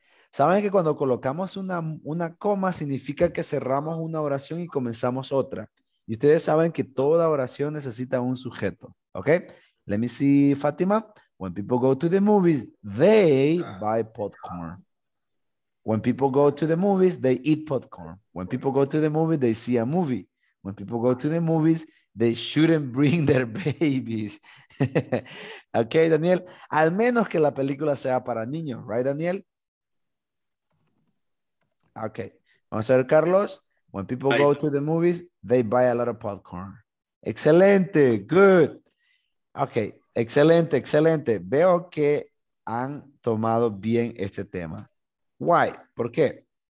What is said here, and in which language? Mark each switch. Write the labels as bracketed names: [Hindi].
[Spanish] ¿Saben que cuando colocamos una coma significa que cerramos una oración y comenzamos otra? Y ustedes saben que toda oración necesita un sujeto, ¿ok? [English] Let me see, Fátima. When people go to the movies, they buy popcorn. When people go to the movies, they eat popcorn. When people go to the movies, they see a movie. When people go to the movies, they shouldn't bring their babies. Ok, Daniel. [Spanish] Al menos que la película sea para niños. [English] Right, Daniel? [Spanish] Ok. Vamos a ver, Carlos. [English] When people go to the movies, they buy a lot of popcorn. [Spanish] Excelente. [English] Good. [Spanish] Ok. Excelente, excelente. Veo que han tomado bien este tema. Why? ¿Por qué?